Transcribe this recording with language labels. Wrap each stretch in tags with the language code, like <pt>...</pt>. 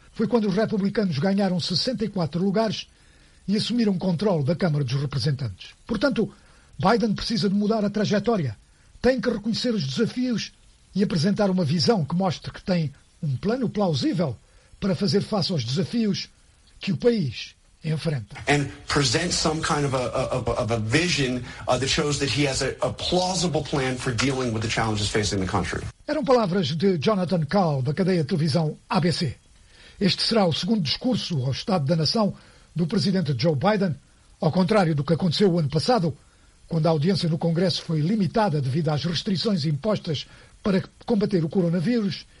<pt>Foi quando os republicanos ganharam 64 lugares e assumiram controle da Câmara dos Representantes. Portanto, Biden precisa de mudar a trajetória. Tem que reconhecer os desafios e apresentar uma visão que mostre que tem um plano plausível para fazer face aos desafios que o país enfrenta.</pt> <en>And present some kind of a vision that shows that he has a plausible plan for dealing with the challenges facing the country.</en> <pt>Eram palavras de Jonathan Kahl, da cadeia de televisão ABC. Este será o segundo discurso ao Estado da Nação do presidente Joe Biden, ao contrário do que aconteceu o ano passado, quando a audiência no Congresso foi limitada devido às restrições impostas para combater o coronavírus.</pt>